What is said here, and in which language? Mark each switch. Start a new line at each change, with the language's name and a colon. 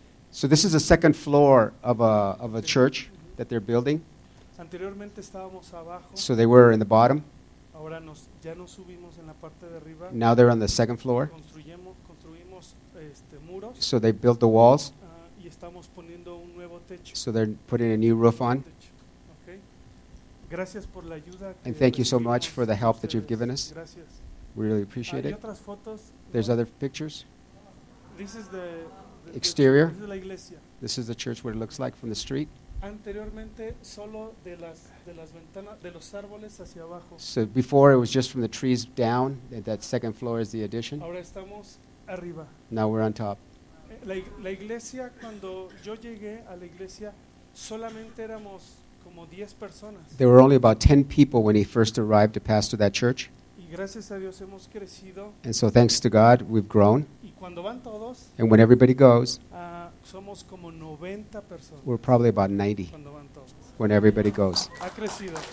English: So this is the second floor of a church that they're building.
Spanish: Anteriormente estábamos abajo.
English: So they were in the bottom.
Spanish: Ahora ya nos subimos en la parte de arriba.
English: Now they're on the second floor.
Spanish: Construimos muros.
English: So they built the walls.
Spanish: Y estamos poniendo un nuevo techo.
English: So they're putting a new roof on.
Spanish: Okay. Gracias por la ayuda.
English: And thank you so much for the help that you've given us.
Spanish: Gracias.
English: We really appreciate it.
Spanish: Otras fotos.
English: There's other pictures. This is the exterior. This is
Spanish: la iglesia.
English: This is the church, what it looks like from the street.
Spanish: Anteriormente, solo de las ventanas, de los árboles hacia abajo.
English: So before it was just from the trees down. That second floor is the addition.
Spanish: Ahora estamos arriba.
English: Now we're on top.
Spanish: La iglesia, cuando yo llegué a la iglesia, solamente éramos como 10 personas.
English: There were only about 10 people when he first arrived to pastor that church.
Spanish: Gracias a Dios hemos crecido.
English: And so thanks to God, we've grown.
Spanish: Y cuando van todos,
English: and when everybody goes,
Spanish: somos como 90 personas.
English: We're probably about 90
Spanish: cuando van todos.
English: When everybody goes.
Spanish: Ha crecido.